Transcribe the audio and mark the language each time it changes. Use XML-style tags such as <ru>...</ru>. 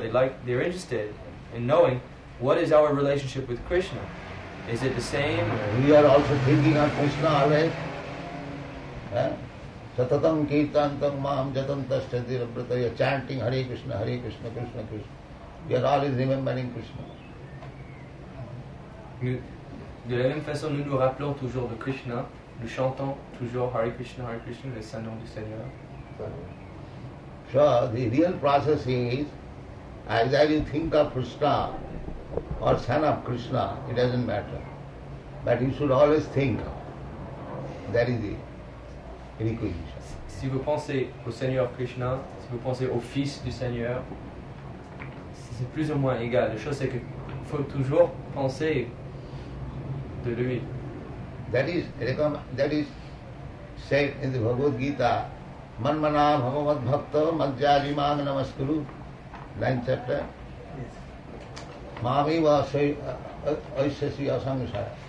<en>They're interested in knowing what is our relationship with Krishna. Is it the same? We are also thinking of Krishna always.</en> <sa>Satatam kirtantam maam jatantas chadirabrata.</sa> <en>You are chanting Hare Krishna, Hare Krishna, Krishna Krishna. You are always remembering Krishna.</en> <fr>De la même façon, nous nous rappelons toujours de Krishna. Nous chantons toujours Hare Krishna, le Saint-Nom du Seigneur.</fr> <en>So, the real process is, either you think of Krishna or Son of Krishna, it doesn't matter. But you should always think of. That is it.</en> <fr>Si vous pensez au Seigneur Krishna, si vous pensez au Fils du Seigneur, c'est plus ou moins égal. La chose c'est qu'il faut toujours penser de lui.</fr> <en>That is said in the Bhagavad Gita,</en> <sa>Manmana Bhagavad Bhakta Madhyaji Mam Namaskuru,</sa> <en>9th chapter. Yes.</en> <sa>Mami Vasai Aishasi Asamsara.</sa>